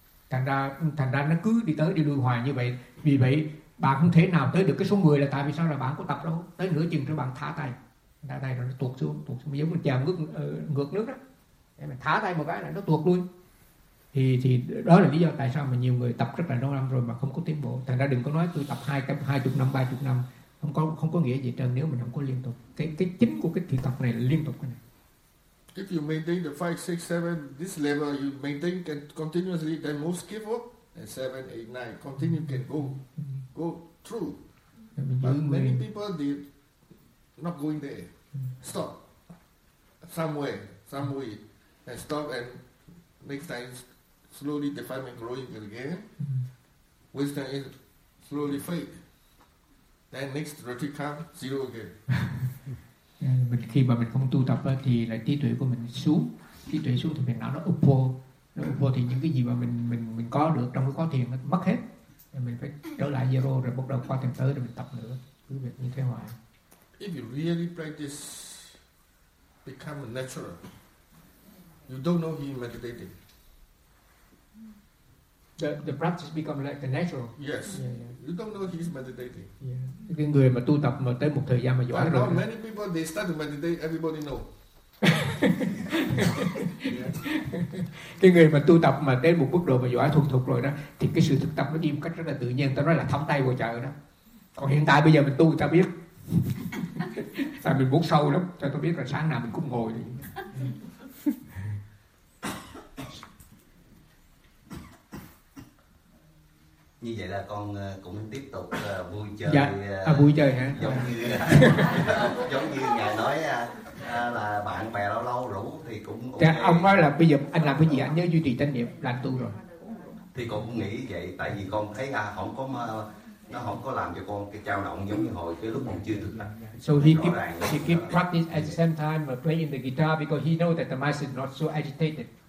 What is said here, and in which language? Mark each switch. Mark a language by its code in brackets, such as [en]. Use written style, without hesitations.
[vi] Thành ra nó cứ đi tới đi lui hoài như vậy. Vì vậy bạn không thể nào tới được cái số 10 là tại vì sao, là bạn có tập đâu, tới nửa chừng rồi bạn thả tay rồi nó tuột xuống giống như chèo ngược nước đó, để mà thả tay một cái là nó tuột luôn. Thì đó là lý do tại sao mà nhiều người tập rất là lâu năm rồi mà không có tiến bộ. Thành ra đừng có nói tôi tập 20 năm 30 năm, không có nghĩa gì trơn nếu mình không có liên tục. Cái chính của cái thiền tập này là liên tục cái này. [en] If you maintain the 5, 6, 7 this level, you maintain can continuously, then most skillful and 7, 8, 9 continue can go. Go through. But many people did not going there. Stop. Somewhere. And stop, and next time slowly defilement growing again. Wisdom is slowly fade. Then next retreat comes, zero again. [vi] Mình khi mà mình không tu tập thì là trí tuệ của mình xuống. Trí tuệ xuống thì mình nó upo. Nó upo thì những cái gì mà mình có được trong cái khóa thiền nó mất hết. Mình phải trở lại zero rồi bắt đầu qua thêm tới rồi mình tập nữa, cứ việc như thế hoài. [en] If you really practice, become a natural. You don't know he's meditating. The practice become like the natural. Yes. Yeah. You don't know he's meditating. Yeah. [vi] Cái người mà tu tập mà tới một thời gian mà giỏi rồi. [en] Many people they start to meditate, everybody know. [vi] Cái người mà tu tập mà đến một mức độ mà giỏi thuần thục rồi đó thì cái sự thực tập nó đi một cách rất là tự nhiên, ta nói là thấm tay vào chợ đó. Còn hiện tại bây giờ mình tu ta biết tại mình muốn sâu lắm, cho tôi biết là sáng nào mình cũng ngồi. Như vậy là con cũng tiếp tục vui chơi. Dạ. À, vui chơi hả? Giống như ngài nói là bạn bè lâu lâu rủ thì cũng okay. Ông nói là bây giờ anh làm cái gì, anh nhớ duy trì tánh niệm là tu rồi. Thì con cũng nghĩ vậy, tại vì con thấy à, không có mà, nó không có làm cho con cái dao động giống như hồi cái lúc con chưa thực tập. [en] So he keep practice at the same time playing the guitar because he knows that the mice is not so agitated.